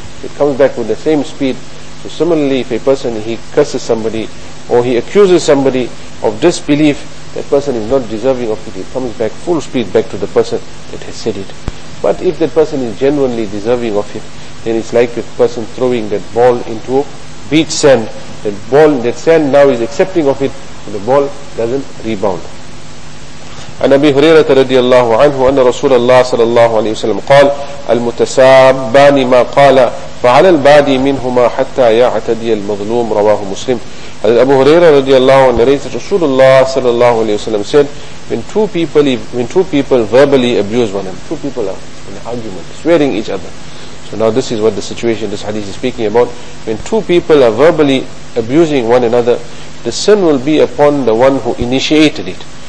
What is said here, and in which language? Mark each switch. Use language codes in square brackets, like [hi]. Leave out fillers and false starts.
[en] It comes back with the same speed. So similarly, if a person, he curses somebody or he accuses somebody of disbelief, that person is not deserving of it. It comes back full speed back to the person that has said it. But if that person is genuinely deserving of it, then it's like a person throwing that ball into beach sand. That ball, that sand now is accepting of it, and the ball doesn't rebound. [ar] عن أبي هريرة رضي الله عنه أن رسول الله صلى الله عليه وسلم قال المتسابان ما قال فعلى البادي منهما حتى يعتدي المظلوم رواه مسلم. [en] And Abu Huraira radiallahu anhu narrates that Rasulullah sallallahu alayhi wa sallam said, when two people verbally abuse one another, two people are in an argument, swearing each other. So now this is what the situation, this hadith is speaking about. When two people are verbally abusing one another, the sin will be upon the one who initiated it.